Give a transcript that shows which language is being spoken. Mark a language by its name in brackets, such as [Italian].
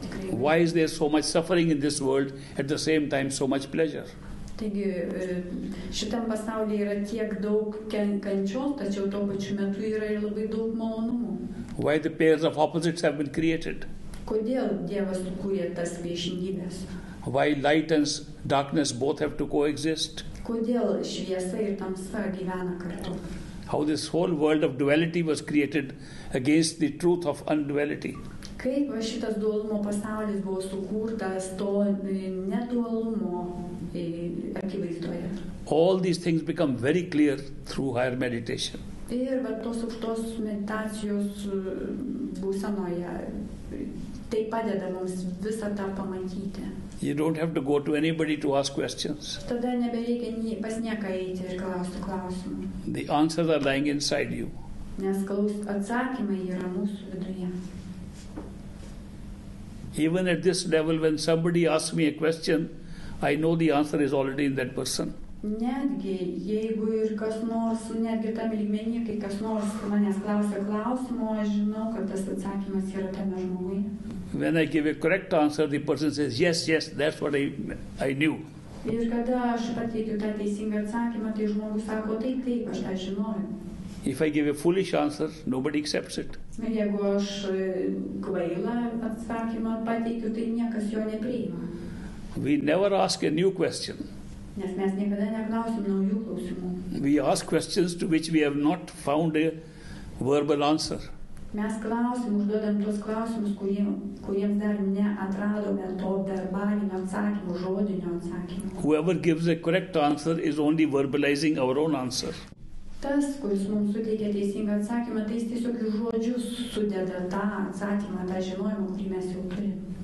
[English] Why is there so much suffering in this world at the same time so much pleasure? [Lithuanian] Taigi, šitam pasaulyje yra tiek daug kančios, tačiau tuo pačiu metu yra ir labai daug malonumų. [English] Why the pairs of opposites have been created? [Lithuanian] Kodėl Dievas sukūrė tas priešingybes? [English] Why light and darkness both have to coexist? [Lithuanian] Kodėl šviesa ir tamsa gyvena kartu? [English] How this whole world of duality was created against the truth of unduality? [Lithuanian] Kaip šitas dualumo pasaulis buvo sukurtas to nedualumo akivaizdoje. [English] All these things become very clear through higher meditation. [Lithuanian] Ir va tos aukštos meditacijos būsenoje tai padeda mums visą tą pamatyti. [English] You don't have to go to anybody to ask questions. [Lithuanian] Tada nebereikia pas nieką eiti ir klausti klausimų. [English] The answers are lying inside you. [Lithuanian] Nes atsakymai yra mūsų viduje. [English] Even at this level, when somebody asks me a question, I know the answer is already in that person. [Lithuanian] Netgi, jeigu ir kas nors, netgi tam lygmenį, kai kas nors manęs klausia klausimo, aš žinau, kad tas atsakymas yra tame žmoguje. [English] When I give a correct answer, the person says, yes, yes, that's what I knew. [Lithuanian] Ir kada aš pateikiu tą teisingą atsakymą, tai žmogus sako, taip, aš tą žinojau. [English] If I give a foolish answer, nobody accepts it. [Lithuanian] Jeigu aš kvailą atsakymą pateikiu, tai niekas jo nepriima. [English] We never ask a new question. [Lithuanian] Nes mes niekada neklausim naujų klausimų. [English] We ask questions to which we have not found a verbal answer. [Lithuanian] Mes klausim, užduodam tuos klausimus, kuriems dar neatradome to verbalinio atsakymo, žodinio atsakymo. [English] Whoever gives a correct answer is only verbalizing our own answer. [Lithuanian] Tas, kuris mums suteikia teisingą atsakymą, tai jis tiesiog į žodžius sudeda tą atsakymą, tą žinojimą, kurį mes jau turime.